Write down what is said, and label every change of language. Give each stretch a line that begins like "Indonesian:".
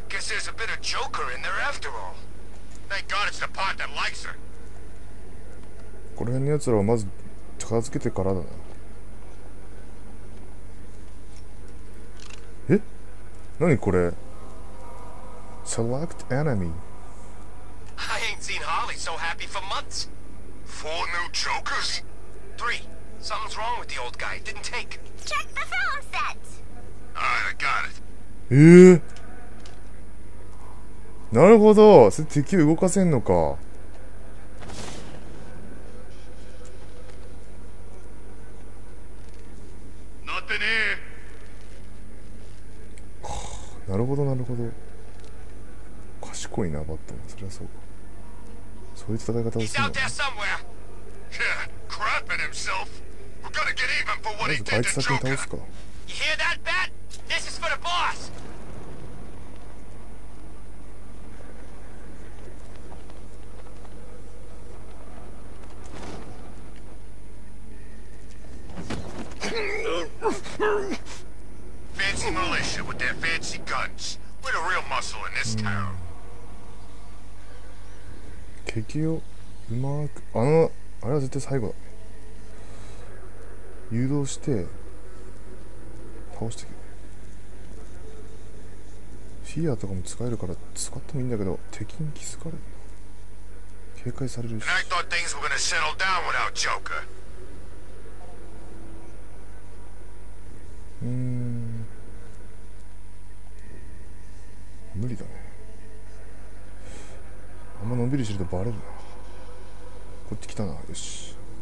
English: There's a bit of Joker in there after all. Thank God it's the part that likes her.
Japanese: この辺のやつらをまず片付けてからだな。え？何これ ？
English: Select enemy. I ain't seen Harley so happy for months. Four new Jokers? Three. Something's wrong with the old guy. Didn't take. Check the film set. Alright, I got it.
Japanese: なるほど、それ敵を動かせんのか。なってねえ。なるほどなるほど。賢いなバットも、そりゃそうか。そういう戦い方をする
English: の。Yeah, crapping himself. We're gonna get even for what he did to Joker.
Japanese: あいつ先に倒すか。
English: You hear that, Bat? This is for the boss. Thank you. Fancy militia with their fancy guns. We're the real muscle in this town.
Japanese: Kikyo, Umark, あれは絶対最後。誘導して倒してフィアとかも使えるから使ってもいいんだけど敵に気づかれる警戒されるし。
English: And I thought things were gonna settle down without Joker.
Japanese: うーん無理だね。あんまのんびりしてるとバレるな。こっち来たな。よし。